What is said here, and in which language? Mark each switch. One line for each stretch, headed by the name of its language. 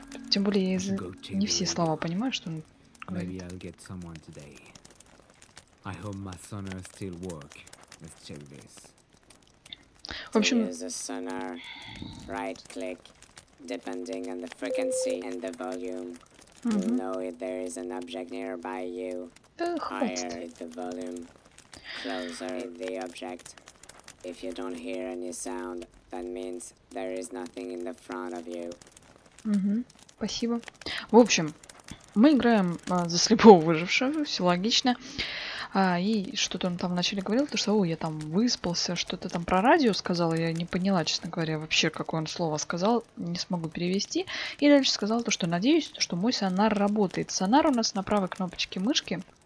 Russian: Тем более, я не все слова понимаю, что он говорит.
English: Maybe I'll get someone today. I hope my sonar still work. Let's check this.
Russian: В общем...
English: Use the sonar, right click, depending on the frequency and the volume. You know if there is an object nearby you. Higher the volume, closer the object. If you don't hear any sound, that means there is nothing in the front of you.
Russian: Спасибо. В общем, мы играем за слепого выжившего, все логично. И что-то он там вначале говорил, то что, о, я там выспался, что-то там про радио сказал, я не поняла, честно говоря, вообще, какое он слово сказал, не смогу перевести. И дальше сказал то, что надеюсь, что мой сонар работает. Сонар у нас на правой кнопочке мышки.